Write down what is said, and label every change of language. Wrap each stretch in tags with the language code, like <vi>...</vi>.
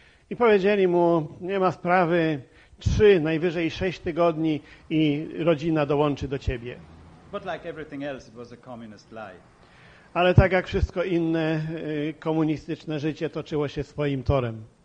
<pl>I powiedzieli mu, nie ma sprawy, 3, najwyżej 6 tygodni i rodzina dołączy do ciebie.</pl> <en>But like everything else, it was a communist lie.</en> <pl>Ale tak jak wszystko inne, komunistyczne życie toczyło się swoim torem.</pl>